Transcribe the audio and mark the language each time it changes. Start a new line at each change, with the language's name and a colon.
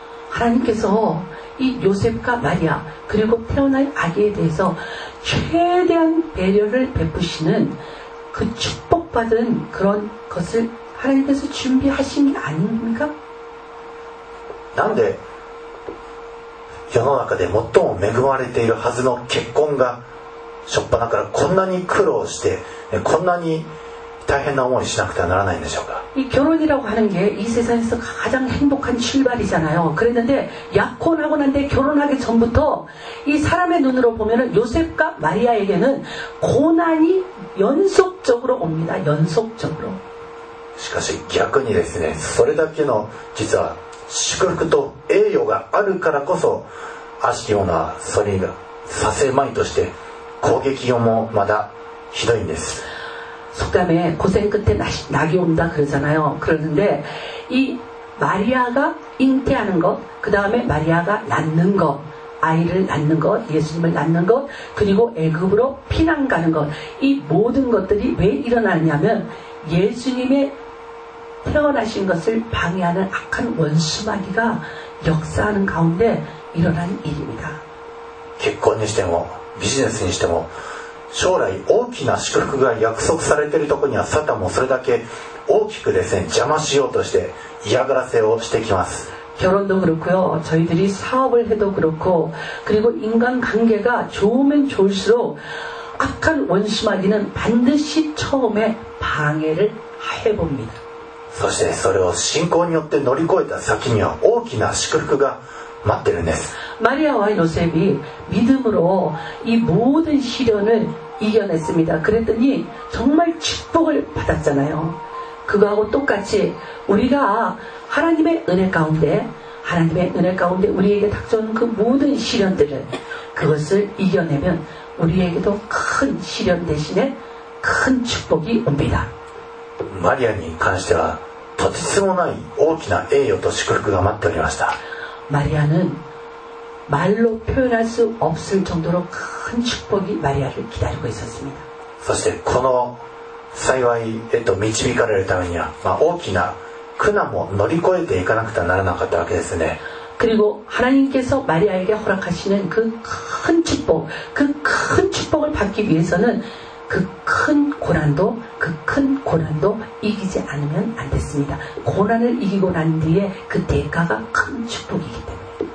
Korean: 하나님께서이요셉과마리아그리고태어날아기에대해서최대한배려를베푸시는그축복받은그런것을하나님께서준비하신게아닙니까
Japanese: なんで世の中で最も恵まれているはずの結婚が初っ端からこんなに苦労してこんなに大変な思いしなくてはならないんでしょうか。
Korean: 이결혼이라고하는게이세상에서가장행복한출발이잖아요그랬는데약혼하고난뒤결혼하기전부터이사람의눈으로보면요셉과마리아에게는고난이연속적으로옵니다연속적으로
Japanese: しかし逆にですねそれだけの実は祝福と栄誉があるからこそ悪しきようなそれがさせまいとして攻撃用もまだひどいんです
Korean: 속담에고생끝에 낙이 온다 그러잖아요 그러는데 이 마리아가 잉태하는 것 그다음에 마리아가 낳는 것 아이를 낳는 것 예수님을 낳는 것 그리고 애굽으로 피난 가는 것 이 모든 것들이 왜 일어나냐면 예수님의태어나신것을방해하는악한원수마귀가역사하는가운데일어난일입니다
Japanese: 結婚にしてもビジネスにしても将来大きな祝福が約束されているところにはサタンもそれだけ大きくですね邪魔しようとして嫌がらせをしてきます。
Korean: 결혼도그렇고요저희들이사업을해도그렇고그리고인간관계가좋으면좋을수록악한원수마귀는반드시처음에방해를해봅니다
Japanese: そしてそれを信仰によって乗り越えた先には大きな祝福が待ってるんです。
Korean: 마리아와요셉이믿음으로이모든시련을이겨냈습니다그랬더니정말축복을받았잖아요그거하고똑같이우리가하나님의은혜가운데하나님의은혜가운데우리에게닥쳐온그모든시련들을그것을이겨내면우리에게도큰시련대신에큰축복이옵니다
Japanese: 마리아에관してはとてつもない大きな栄誉と祝福が待っておりました。
Korean: 마리아는말로표현할수없을정도로큰축복이마리아를기다리고있었습니다
Japanese: そしてこの幸いへと導かれるためには、まあ、大きな苦難も乗り越えていかなくてはならなかったわけですね。
Korean: 그리고하나님께서마리아에게허락하시는그큰축복그큰축복을받기위해서는그큰고난도그큰고난도이기지않으면안됐습니다고난을이기고난뒤에그대가가큰축복이기때문에